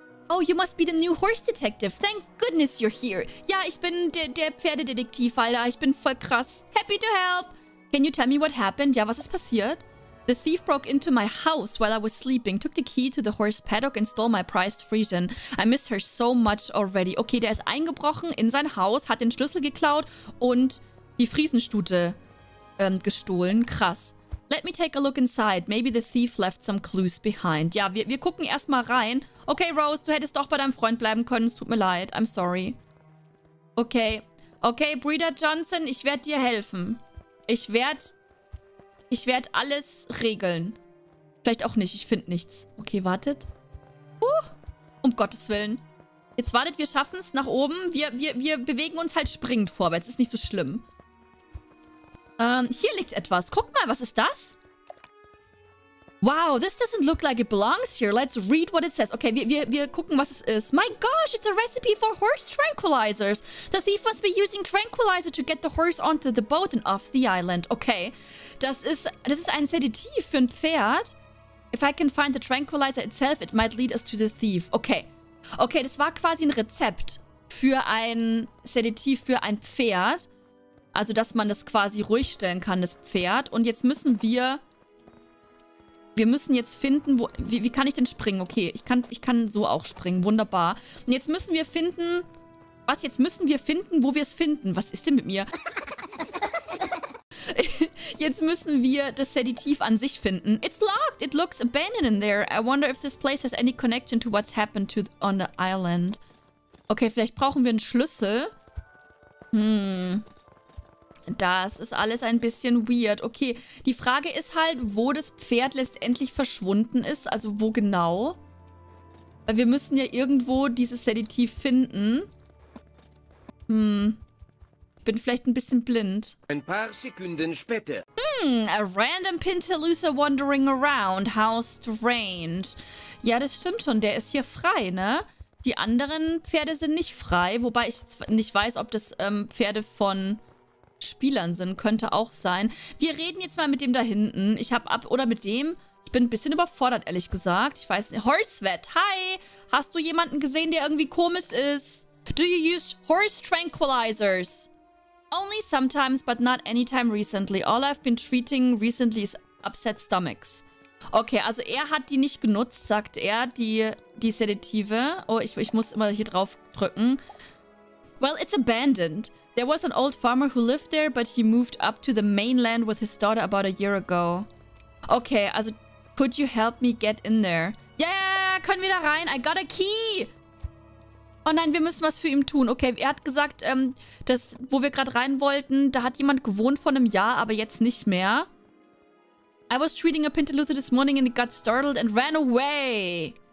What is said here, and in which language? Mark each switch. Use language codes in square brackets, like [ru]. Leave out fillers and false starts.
[en] Oh, you must be the new horse detective. Thank goodness you're here. [de] Ja, ich bin der Pferdedetektiv, Alter. Ich bin voll krass. [en] Happy to help. Can you tell me what happened? [de] Ja, was ist passiert? [en] The thief broke into my house while I was sleeping, took the key to the horse paddock and stole my prized Frisian. I miss her so much already. [de] Okay, der ist eingebrochen in sein Haus, hat den Schlüssel geklaut und die Friesenstute gestohlen. [en] Krass. Let me take a look inside. Maybe the thief left some clues behind. [de] Ja, wir gucken erstmal rein. Okay, Rose, du hättest doch bei deinem Freund bleiben können. Es tut mir leid. [en] I'm sorry. [de] Okay. Okay, Breeder Johnson, ich werde dir helfen. Ich werde alles regeln. Vielleicht auch nicht. Ich finde nichts. Okay, wartet. Um Gottes Willen. Jetzt wartet, wir schaffen es nach oben. Wir bewegen uns halt springend vorwärts. Ist nicht so schlimm. Hier liegt etwas. Guck mal, was ist das? [en] Wow, this doesn't look like it belongs here. Let's read what it says. [de] Okay, wir gucken, was es ist. [en] My gosh, it's a recipe for horse tranquilizers. The thief must be using tranquilizer to get the horse onto the boat and off the island. [de] Okay, das ist ein Sedativ für ein Pferd. [en] If I can find the tranquilizer itself, it might lead us to the thief. [de] Okay, das war quasi ein Rezept für ein Sedativ für ein Pferd. Also, dass man das quasi ruhig stellen kann, das Pferd. Und jetzt müssen wir... Wir müssen jetzt finden, wo... Wie kann ich denn springen? Okay, ich kann so auch springen. Wunderbar. Und jetzt müssen wir finden... Was? Jetzt müssen wir finden, wo wir es finden. Was ist denn mit mir? Jetzt müssen wir das Sedativ an sich finden. [en] It's locked. It looks abandoned in there. I wonder if this place has any connection to what's happened to on the island. [de] Okay, vielleicht brauchen wir einen Schlüssel. Das ist alles ein bisschen weird. Okay, die Frage ist halt, wo das Pferd letztendlich verschwunden ist. Also wo genau? Weil wir müssen ja irgendwo dieses Sedativ finden. Ich bin vielleicht ein bisschen blind. Ein paar Sekunden später. [en] A random Pintaloosa wandering around. How strange. [de] Ja, das stimmt schon. Der ist hier frei, ne? Die anderen Pferde sind nicht frei. Wobei ich nicht weiß, ob das Pferde von... Spielern sind. Könnte auch sein. Wir reden jetzt mal mit dem da hinten. Ich hab ab... Oder mit dem? Ich bin ein bisschen überfordert, ehrlich gesagt. Ich weiß nicht. [en] Horsewet, hi! [de] Hast du jemanden gesehen, der irgendwie komisch ist? [en] Do you use horse tranquilizers? Only sometimes, but not anytime recently. All I've been treating recently is upset stomachs. [de] Okay, also er hat die nicht genutzt, sagt er, die Sedative. Oh, ich muss immer hier drauf drücken. [en] Well, it's abandoned. There was an old farmer who lived there, but he moved up to the mainland with his daughter about a year ago. Okay, also, could you help me get in there? Yeah, [de] können wir da rein? [en] I got a key! [de] Oh nein, wir müssen was für ihn tun. Okay, er hat gesagt, dass, wo wir gerade rein wollten, da hat jemand gewohnt vor einem Jahr, aber jetzt nicht mehr. [en] I was treating a Pentelusa this morning and it got startled and ran away.